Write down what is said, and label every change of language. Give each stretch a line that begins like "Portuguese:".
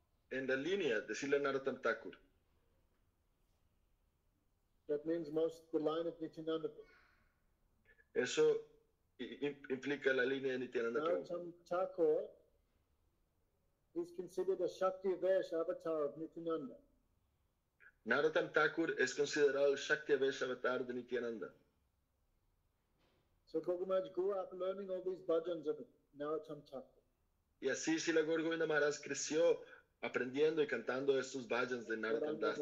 Spanish: En la línea de Sila Narottam Thakur.
English: That means most the line of Nityananda.
Spanish: Eso implica la línea de Nityananda.
English: Narottam Thakur is considered a Shakti Vesh avatar of Nityananda.
Spanish: Narottam Thakur es considerado el Shakti Vesh avatar de Nityananda.
English: So Guru Maharaj grew up learning all these bhajans of Narottam Thakur.
Spanish: Y así Srila Guru Govinda Maharaj creció aprendiendo y cantando estos bhajans de Narottam